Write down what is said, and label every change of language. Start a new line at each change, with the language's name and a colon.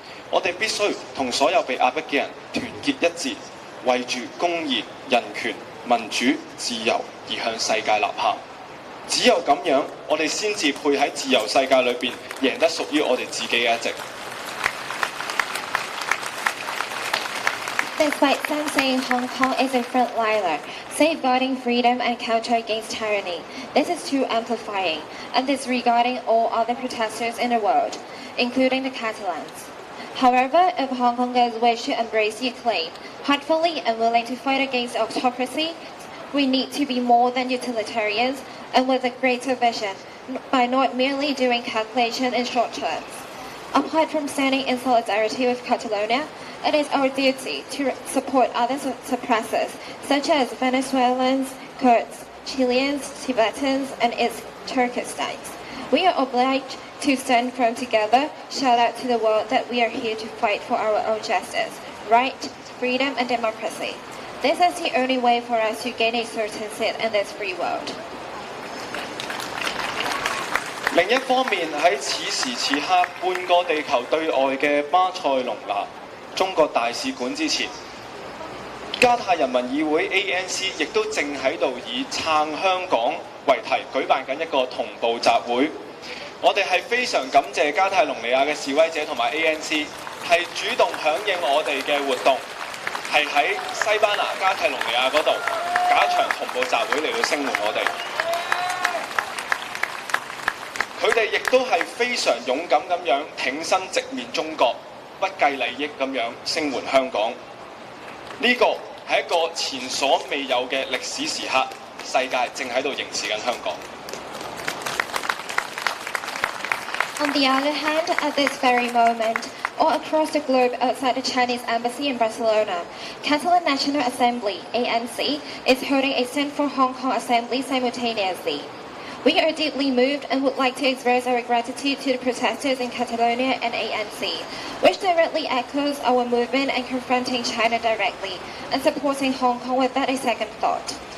Cantonese: 我们必须和所有被压迫的人团结一致，为着公义、人权、民主、自由而向世界立喊。只有这样，我们先至配在自由世界里面赢得属于我们自己的一席。
English: Despite some saying Hong Kong is a frontliner, safeguarding freedom and counter against tyranny, this is too amplifying and disregarding all other protesters in the world, including the Catalans. However, if Hong Kongers wish to embrace Ukraine heartfully and willing to fight against autocracy, we need to be more than utilitarians and with a greater vision by not merely doing calculation in short terms. Apart from standing in solidarity with Catalonia, it is our duty to support other suppressors such as Venezuelans, Kurds, Chileans, Tibetans and East Turkestanites. We are obliged to stand firm together, shout out to the world that we are here to fight for our own justice, right, freedom and democracy. This is the only way for us to gain a certain seat in this free world.
Cantonese: 另一方面，在此时此刻，半个地球对外的巴塞隆纳中国大使馆之前，加泰人民议会 ANC 亦都正在这里以撑香港为题举办一个同步集会。我们是非常感谢加泰隆尼亚的示威者和 ANC 是主动响应我们的活动，是在西班牙加泰隆尼亚那里假场同步集会来到声援我们。他们亦都是非常勇敢地挺身直面中国，不计利益地声援香港。这个是一个前所未有的历史时刻，世界正在凝视香港。
English: On the other hand, at this very moment, all across the globe outside the Chinese embassy in Barcelona, Catalan National Assembly, ANC, is holding a Stand for Hong Kong assembly simultaneously. We are deeply moved and would like to express our gratitude to the protesters in Catalonia and ANC, which directly echoes our movement and confronting China directly and supporting Hong Kong without a second thought.